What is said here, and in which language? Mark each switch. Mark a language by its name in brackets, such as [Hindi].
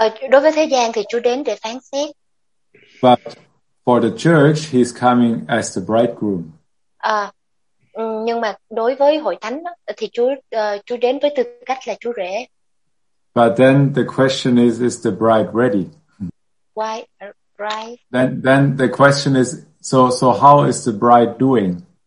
[Vietnamese] Đối với thế gian thì Chúa đến để phán xét. [English] But for the church He's coming as the bridegroom. [Vietnamese] Nhưng mà đối với hội thánh thì Chúa đến với tư cách là Chúa rể. [English] But then the question is the bride ready? Why bride? Then the question is so how is the bride doing?